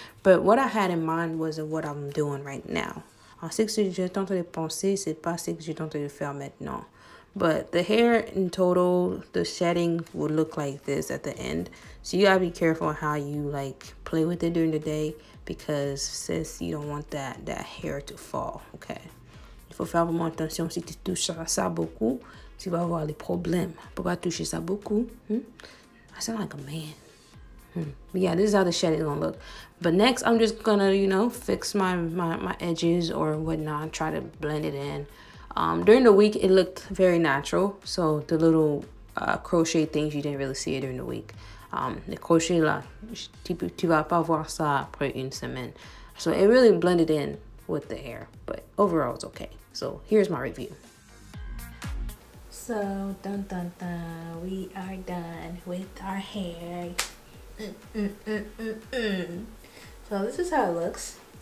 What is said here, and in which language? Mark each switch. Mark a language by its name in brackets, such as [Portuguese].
[English] But what I had in mind wasn't what I'm doing right now. But the hair in total, the shedding would look like this at the end. So you gotta be careful how you like play with it during the day. because sis, you don't want that hair to fall, okay? [French] Il faut faire vraiment attention. Si tu touches ça beaucoup, tu vas avoir des problèmes. Pour pas toucher ça beaucoup. Hmm? I sound like a man. Hmm. [English] Yeah, this is how the shed is gonna look. But next, I'm just gonna, you know, fix my edges or whatnot, try to blend it in. During the week, it looked very natural. So the little crochet things, you didn't really see it during the week. [French] Le crochet là, tu vas pas voir ça après une semaine. [English] So it really blended in with the hair, but overall it's okay. So here's my review. So dun dun dun, we are done with our hair. So this is how it looks.